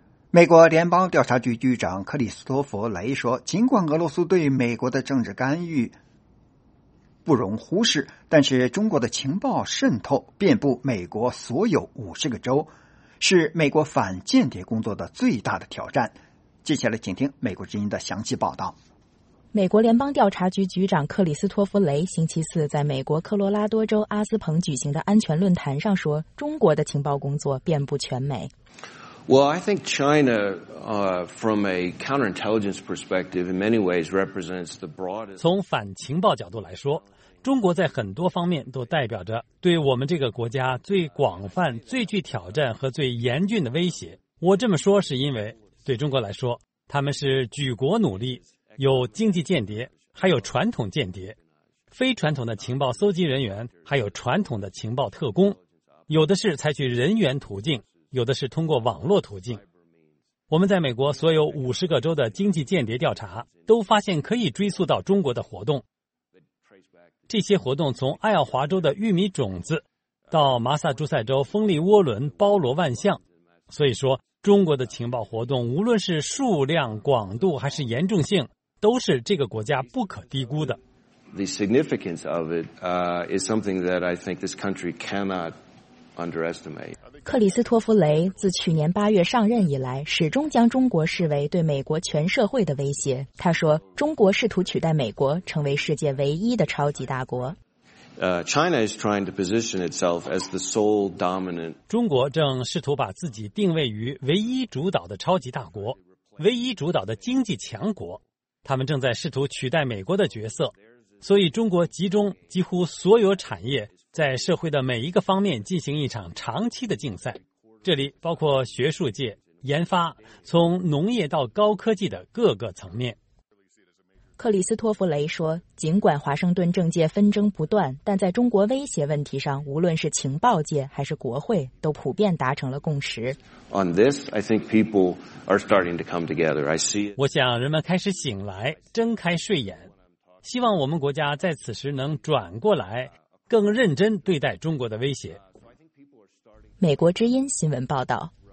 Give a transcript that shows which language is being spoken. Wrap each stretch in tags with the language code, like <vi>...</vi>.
<zh>美国联邦调查局局长克里斯托弗·雷说，尽管俄罗斯对美国的政治干预不容忽视，但是中国的情报渗透遍布美国所有50个州，是美国反间谍工作的最大的挑战。接下来请听美国之音的详细报道。美国联邦调查局局长克里斯托弗·雷星期四在美国科罗拉多州阿斯彭举行的安全论坛上说，中国的情报工作遍布全美。</zh> <en>Well, I think China, from a counterintelligence perspective, in many ways represents the broadest.</en> <zh>从反情报角度来说，中国在很多方面都代表着对我们这个国家最广泛、最具挑战和最严峻的威胁。我这么说是因为，对中国来说，他们是举国努力，有经济间谍，还有传统间谍，非传统的情报搜集人员，还有传统的情报特工，有的是采取人员途径。有的是通过网络途径。我们在美国所有50个州的经济间谍调查都发现可以追溯到中国的活动。这些活动从爱奥华州的玉米种子到马萨诸塞州风力涡轮包罗万象。所以说中国的情报活动无论是数量、广度还是严重性，都是这个国家不可低估的。</zh> <en>The significance of it, is something that I think this country cannot underestimate.</en> <zh>克里斯托弗·雷自去年8月上任以来，始终将中国视为对美国全社会的威胁。他说，中国试图取代美国，成为世界唯一的超级大国。</zh> <en>China is trying to position itself as the sole dominant.</en> <zh>中国正试图把自己定位于唯一主导的超级大国，唯一主导的经济强国。他们正在试图取代美国的角色，所以中国集中几乎所有产业在社会的每一个方面进行一场长期的竞赛，这里包括学术界、研发，从农业到高科技的各个层面。克里斯托弗·雷说，尽管华盛顿政界纷争不断，但在中国威胁问题上，无论是情报界还是国会，都普遍达成了共识。</zh> <en>On this, I think people are starting to come together. I see.</en> <zh>我想人们开始醒来，睁开睡眼，希望我们国家在此时能转过来。更认真对待中国的威胁。美国之音新闻报道。</zh>